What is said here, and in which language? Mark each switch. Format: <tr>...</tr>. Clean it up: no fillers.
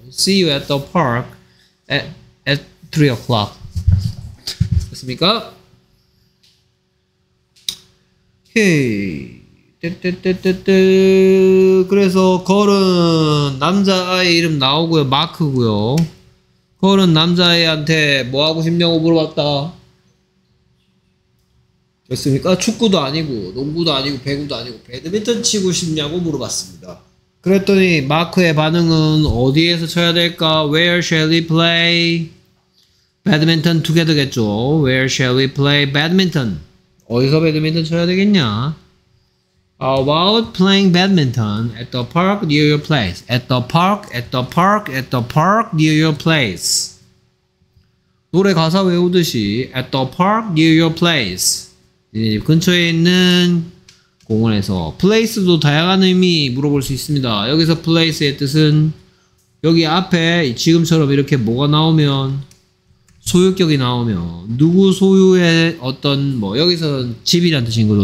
<en>See you at the park at 3 o'clock</en> <ko>됐습니까? 오케이 떼떼떼떼떼 그래서 걸은 남자아이 이름 나오고요. 마크고요. 콜은 남자애한테 뭐하고 싶냐고 물어봤다. 됐습니까? 축구도 아니고 농구도 아니고 배구도 아니고 배드민턴 치고 싶냐고 물어봤습니다. 그랬더니 마크의 반응은 어디에서 쳐야 될까?</ko> <en>Where shall we play badminton together겠죠? Where shall we play badminton?</en> <ko>어디서 배드민턴 쳐야 되겠냐?</ko> <en>How about playing badminton at the park near your place? At the park, at the park, at the park near your place.</en> <ko>노래 가사 외우듯이</ko> <en>at the park near your place.</en> <ko>네 집 근처에 있는 공원에서 place도 다양한 의미 물어볼 수 있습니다. 여기서 place의 뜻은 여기 앞에 지금처럼 이렇게 뭐가 나오면 소유격이 나오면 누구 소유의 어떤 뭐 여기서는 집이란 뜻인 거죠.</ko>